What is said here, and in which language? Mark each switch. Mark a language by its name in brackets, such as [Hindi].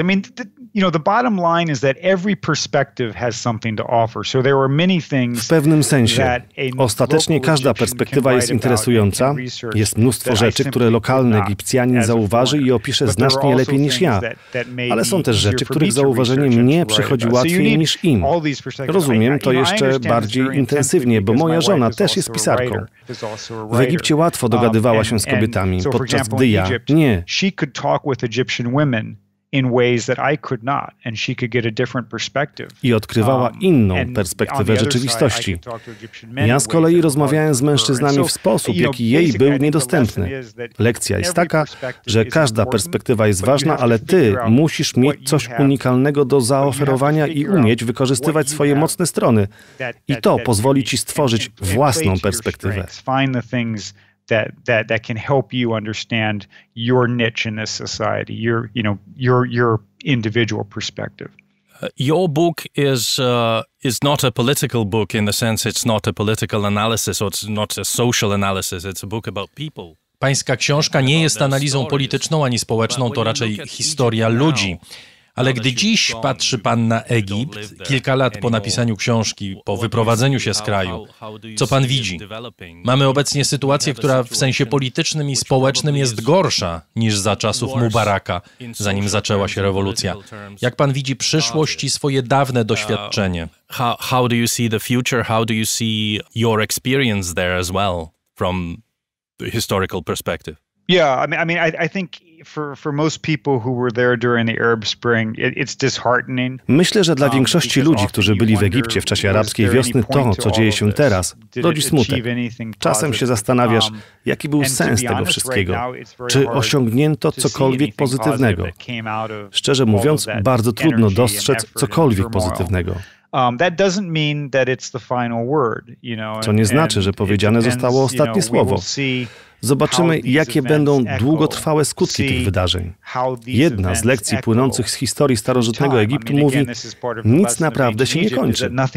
[English] I mean, the bottom line is that every perspective has something to offer. So there are many things. [Polish] W pewnym sensie, ostatecznie każda perspektywa jest interesująca. Jest mnóstwo rzeczy, które lokalny Egipcjanin zauważy i opisze znacznie lepiej niż ja. Ale są też rzeczy, których zauważenie mnie przychodzi łatwiej niż im. Rozumiem to jeszcze bardziej intensywnie, bo moja żona też jest pisarką. W Egipcie łatwo dogadywała się z kobietami, podczas gdy ja nie. I odkrywała inną perspektywę rzeczywistości. Ja z kolei rozmawiałem z mężczyznami w sposób, jaki jej był niedostępny. Lekcja jest taka, że każda perspektywa jest ważna, ale ty musisz mieć coś unikalnego do zaoferowania i umieć wykorzystywać swoje mocne strony. I to pozwoli ci stworzyć własną perspektywę. [English] That can help you understand your niche in this society, your individual perspective. Your book is not a political book in the sense it's not a political analysis or it's not a social analysis. It's a book about people. [Polish] Pańska książka nie jest analizą polityczną ani społeczną, to raczej historia ludzi. Ale gdy dziś patrzy pan na Egipt, kilka lat po napisaniu książki, po wyprowadzeniu się z kraju, co pan widzi? Mamy obecnie sytuację, która w sensie politycznym i społecznym jest gorsza niż za czasów Mubaraka, zanim zaczęła się rewolucja. Jak pan widzi przyszłość i swoje dawne doświadczenie? [English] How do you see the future? How do you see your experience there as well from the historical perspective? Yeah, I think for most people who were there during the Arab Spring, it's disheartening. [Polish] Myślę, że dla większości ludzi, którzy byli w Egipcie w czasie arabskiej wiosny, to, co dzieje się teraz, rodzi smutek. Czasem się zastanawiasz, jaki był sens tego wszystkiego. Czy osiągnięto cokolwiek pozytywnego? Szczerze mówiąc, bardzo trudno dostrzec cokolwiek pozytywnego. [English] That doesn't mean that it's the final word, [Polish] Co nie znaczy, że powiedziane zostało ostatnie słowo. Zobaczymy, jakie będą długotrwałe skutki tych wydarzeń. Jedna z lekcji płynących z historii starożytnego Egiptu mówi, nic naprawdę się nie kończy.